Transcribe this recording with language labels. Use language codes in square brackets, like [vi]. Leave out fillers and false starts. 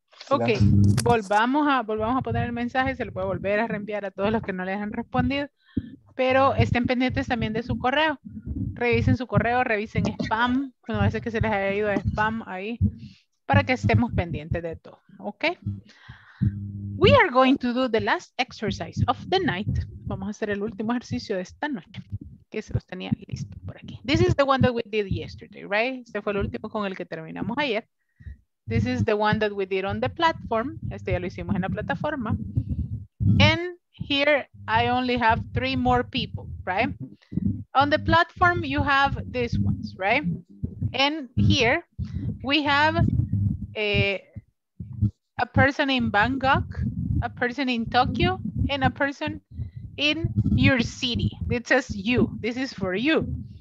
[es] Ok, volvamos a poner el mensaje, se lo puede volver a reenviar a todos los que no les han respondido, pero estén pendientes también de su correo. Revisen su correo, revisen spam, no sé que se les haya ido a spam ahí, para que estemos pendientes de todo, ¿ok? [en] We are going to do the last exercise of the night. [es] Vamos a hacer el último ejercicio de esta noche, que se los tenía listo por aquí. [en] This is the one that we did yesterday, right? [es] Este fue el último con el que terminamos ayer. [en] This is the one that we did on the platform. [es] Este ya lo hicimos en la plataforma. [en] And here I only have three more people, right? On the platform, you have these ones, right? And here we have a person in Bangkok, a person in Tokyo, and a person in your city. It says you. This is for you.